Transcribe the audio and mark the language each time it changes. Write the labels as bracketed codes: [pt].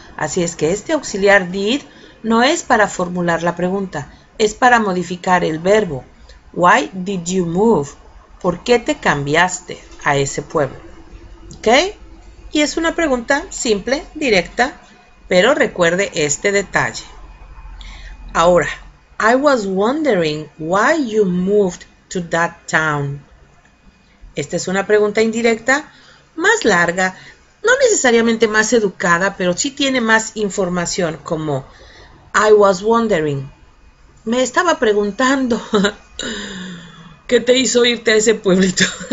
[es] Así es que este auxiliar did no es para formular la pregunta, es para modificar el verbo. [en] Why did you move? [es] ¿Por qué te cambiaste a ese pueblo? ¿Ok? Y es una pregunta simple, directa, pero recuerde este detalle. Ahora, [en] I was wondering why you moved to that town. [es] Esta es una pregunta indirecta, más larga, no necesariamente más educada, pero sí tiene más información, como [en] I was wondering. [es] Me estaba preguntando. ¿Qué te hizo irte a ese pueblito?